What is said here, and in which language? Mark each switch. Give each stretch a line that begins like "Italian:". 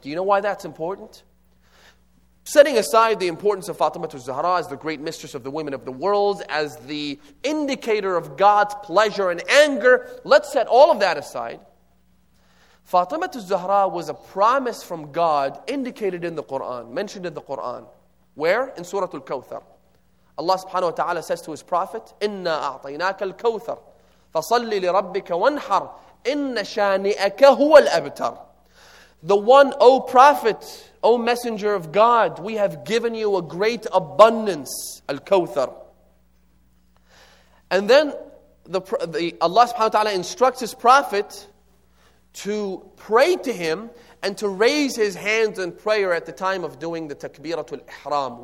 English: Do you know why that's important? Setting aside the importance of Fatima al-Zahra as the great mistress of the women of the world, as the indicator of God's pleasure and anger, let's set all of that aside. Fatima al-Zahra was a promise from God indicated in the Qur'an, mentioned in the Qur'an. Where? In Surah Al-Kawthar. Allah subhanahu wa ta'ala says to his Prophet,
Arabic: إِنَّا أَعْطَيْنَاكَ الْكَوْثَرِ فَصَلِّ لِرَبِّكَ وَانْحَرْ إِنَّ شَانِئَكَ هُوَ الْأَبْتَرِ.
English: The one, O Prophet, O Messenger of God, we have given you a great abundance, Al-Kawthar. And then Allah subhanahu wa ta'ala instructs his Prophet to pray to him and to raise his hands in prayer at the time of doing the Takbiratul Ihram.